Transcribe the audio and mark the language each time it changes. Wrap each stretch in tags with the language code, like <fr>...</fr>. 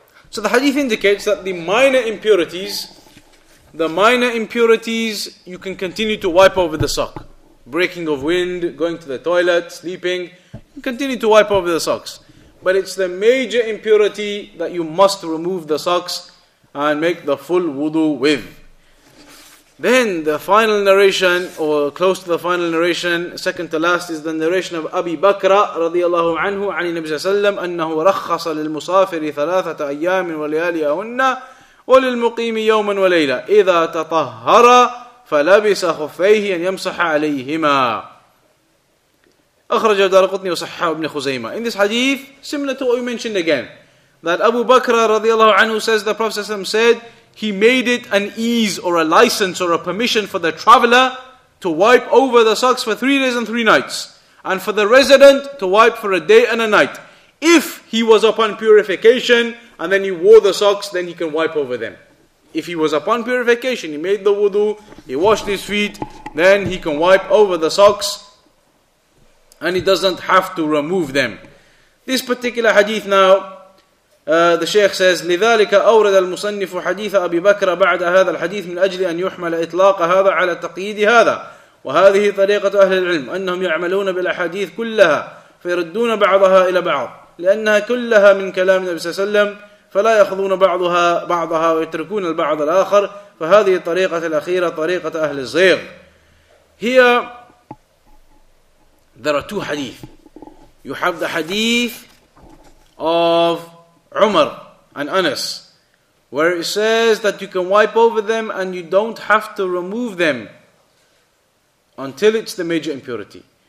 <en>So the hadith indicates that the minor impurities, you can continue to wipe over the sock. Breaking of wind, going to the toilet, sleeping, you continue to wipe over the socks. But it's the major impurity that you must remove the socks and make the full wudu with. Then the final narration, or close to the final narration, second to last, is the narration of Abi Bakr radiallahu anhu,</en> <ar>عن النبي صلى الله عليه وسلم, أنه رخص للمسافر ثلاثة أيام ولياليهن وللمقيم يوما وليلة إذا تطهر فلبس خفيه أن يمسح عليهما. أخرجه الدارقطني وصححه ابن خزيمة.</ar> <en>In this hadith, similar to what we mentioned again, that Abu Bakr radiallahu anhu says the Prophet said, he made it an ease or a license or a permission for the traveler to wipe over the socks for 3 days and three nights, and for the resident to wipe for a day and a night. If he was upon purification and then he wore the socks, then he can wipe over them. If he was upon purification, he made the wudu, he washed his feet, then he can wipe over the socks and he doesn't have to remove them. This particular hadith now, the Shaykh says,</en> <ar>لذلك أورد المصنف حديث أبي بكر بعد هذا الحديث من أجل أن يحمل إطلاق هذا على تقييد هذا. وهذه طريقة أهل العلم أنهم يعملون بالأحاديث كلها فيردون بعضها إلى بعض لأنها كلها من كلام النبي صلى الله عليه وسلم فلا يأخذون بعضها ويتركون البعض الآخر فهذه الطريقة الأخيرة طريقة أهل الزيغ.</ar> <en>Here, there are two hadith. You have the hadith of Umar and Anas, where it says that you can wipe over them and you don't have to remove them until it's the major impurity.</en>